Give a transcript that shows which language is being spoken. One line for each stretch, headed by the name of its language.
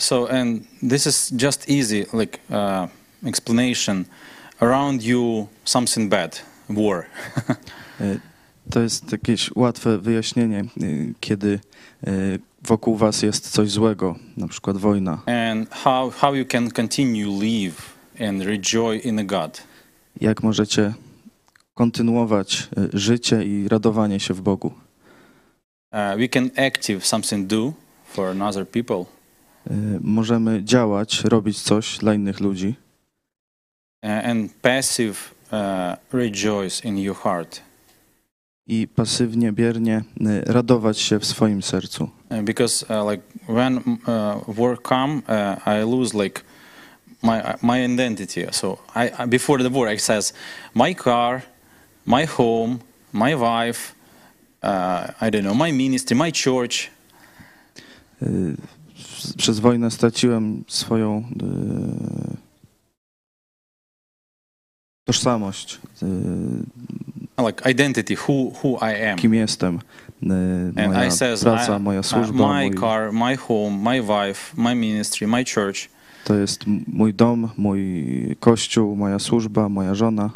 English: And this is just easy, like explanation. Around you something bad, war.
Polish: To jest jakieś łatwe wyjaśnienie, kiedy wokół was jest coś złego, na przykład wojna.
English: And how you can continue live and rejoice in God.
Polish: Jak możecie kontynuować życie i radowanie się w Bogu.
English: We can active something do for another people.
Polish: Możemy działać, robić coś dla innych ludzi.
English: And passive rejoice in your heart.
Polish: I pasywnie, biernie radować się w swoim sercu.
English: Because like when war come, I lose like my identity. So I before the war, I says my car, my home, my wife, I don't know, my ministry, my church.
Polish: Przez wojnę straciłem swoją tożsamość.
English: Like identity, who I am.
Polish: Kim jestem. Moja praca, moja służba.
English: My car, my home, my wife, my ministry, my church.
Polish: To jest mój dom, mój kościół, moja służba, moja żona.